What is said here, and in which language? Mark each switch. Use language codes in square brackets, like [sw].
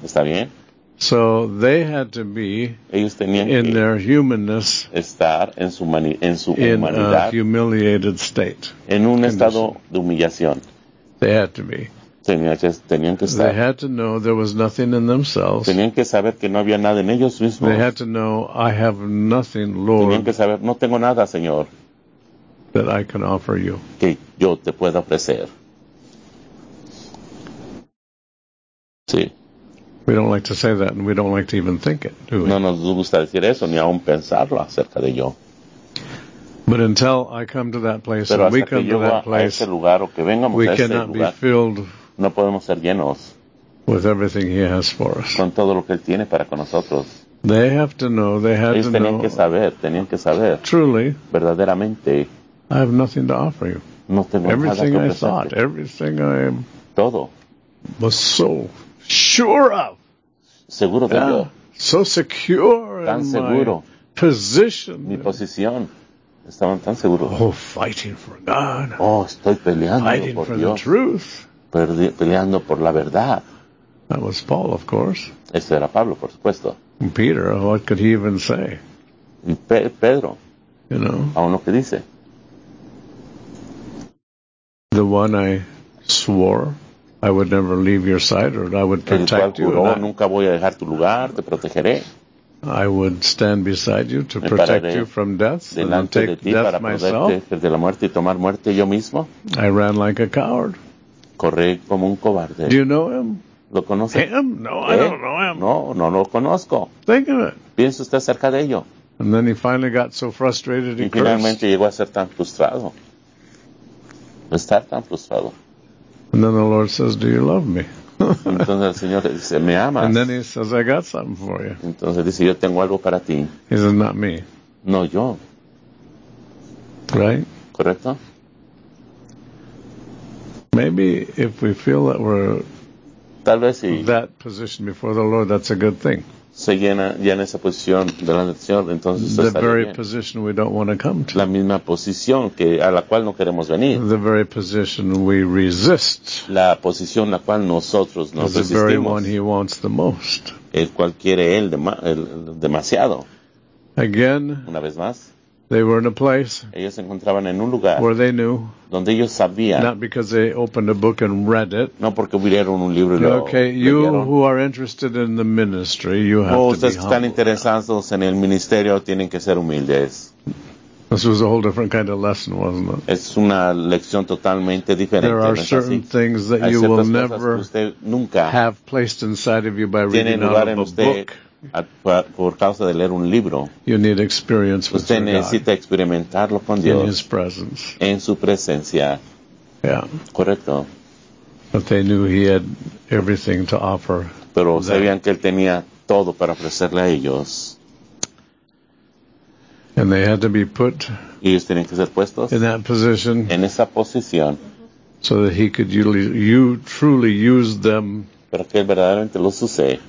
[es] ¿Está bien? [en] So they had to be [es] ellos tenían [en] in their humanness [es] estar en su humanidad, [en] in a humiliated state. [es] En un condition. Estado de humillación. [en] They had to be. [es] Tenían que estar. [en] They had to know there was nothing in themselves. [es] Tenían que saber que no había nada en ellos mismos. [en] They had to know, I have nothing, Lord. [es] Tenían que saber, no tengo nada, Señor. [en] That I can offer you. [es] Que yo te pueda ofrecer. Sí. [en] We don't like to say that, and we don't like to even think it, do we? [es] No nos gusta decir eso, ni aun pensarlo acerca de yo. [en] But until I come to that place, and we come to that place, we cannot be filled. [es] No podemos ser llenos [en] with everything he has for us. [es] Con todo lo que él tiene para con nosotros. [en] They have to know, they had [es] ellos [en] to know. [es] Tenían que saber, [en] truly, [es] verdaderamente, [en] I have nothing to offer you. [es] No tengo [en] everything [es] nada [en] I thought, everything I am [es] todo. [en] Was so sure of. [es] Seguro de ello. [en] So secure [es] tan [en] in [es] seguro. [en] My position. [es] Mi posición. Estaban tan seguros. [en] Oh, fighting for God. [es] Oh, estoy peleando [en] fighting [es] por [en] for [es] Dios. [en] The truth. [es] Peleando por la verdad. [en] That was Paul, of course. [es] Ese era Pablo, por supuesto. [en] And Peter, what could he even say? [es] Y Pedro. [en] You know. [es] Aún lo que dice. [en] The one I swore I would never leave your side or I would protect [es] el cual juró, [en] you. [es] Juró, nunca voy a dejar tu lugar, te protegeré. [en] I would stand beside you to protect you from death and take [es] de ti [en] death [es] para [en] myself. [es] De la muerte y tomar muerte yo mismo. [en] I ran like a coward. [es] Corré como un cobarde. [en] Do you know him? [es] ¿Lo conoces? [en] Him? No, ¿eh? I don't know him. [es] No lo conozco. [en] Think of it. [es] Piensa usted acerca de ello. [en] And then he finally got so frustrated [es] y finalmente [en] cursed. [es] Llegó a ser tan frustrado. Estar tan frustrado. [en] And then the Lord says, do you love me? [es] Entonces el Señor dice, ¿me amas? [en] And then he says, I got something for you. [es] Entonces dice, yo tengo algo para ti. [en] He says, not me. [es] No, yo. [en] Right? [es] ¿Correcto? [en] Maybe if we feel that we're [es] tal vez si [en] that position before the Lord, that's a good thing. [es] Se llena esa posición delante del Señor, entonces [en] the very [es] bien. [en] Position we don't want to come to. [es] La misma posición que, a la cual no queremos venir. [en] The very position we resist. [es] La posición la cual nosotros nos resistimos. [en] The very one he wants the most. [es] El cual quiere él demasiado. [en] Again. [es] Una vez más. [en] They were in a place [es] ellos se encontraban en un lugar [en] where they knew, [es] donde ellos sabían, [en] not because they opened a book and read it. [es] No porque vieron un libro y lo [en] okay, you who are interested in the ministry, you have [es] ustedes [en] to be humble. [es] Ustedes están interesados en el ministerio, tienen que ser humildes. [en] This was a whole different kind of lesson, wasn't it? [es] Es una lección totalmente diferente. [en] There are certain things that you will never [es] nunca [en] have placed inside of you by reading out of a book. [es] Por causa de leer un libro, [en] you need experience with [es] usted necesita [en] God [es] experimentarlo con Dios [en] in his presence. [es] En su presencia. [en] Yeah. [es] Correcto. [en] But they knew he had everything to offer. [es] Pero sabían que él tenía todo para ofrecerle a ellos. [en] And they had to be put [es] y ellos tenían que ser puestos [en] in that position [es] en esa posición [en] so that he could truly use them. [es] Para que él verdaderamente los use.